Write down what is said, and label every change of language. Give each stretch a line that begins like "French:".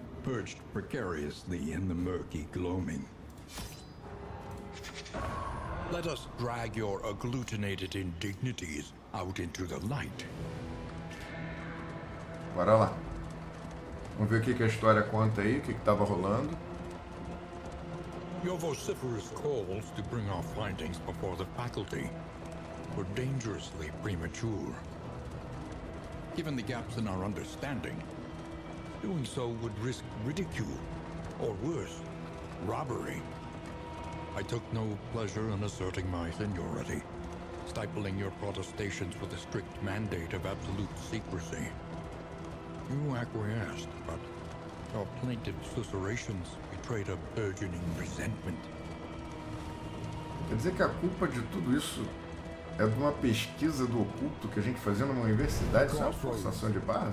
English: Perched precariously in the murky gloaming. Let us drag your agglutinated indignities out into the light.
Portuguese: Bora lá. Vamos ver o que a história conta aí, o que estava rolando.
English: Your vociferous calls to bring our findings before the faculty were dangerously premature. Given the gaps in our understanding, doing so would risk ridicule, or worse, robbery. I took no pleasure in asserting my seniority, stifling your protestations with a strict mandate of absolute secrecy. You acquiesced, but your plaintive susurrations betrayed a burgeoning resentment.
Portuguese: Quer dizer que a culpa de tudo isso é de uma pesquisa do oculto que a gente fazia numa universidade, isso é uma forçação de barra?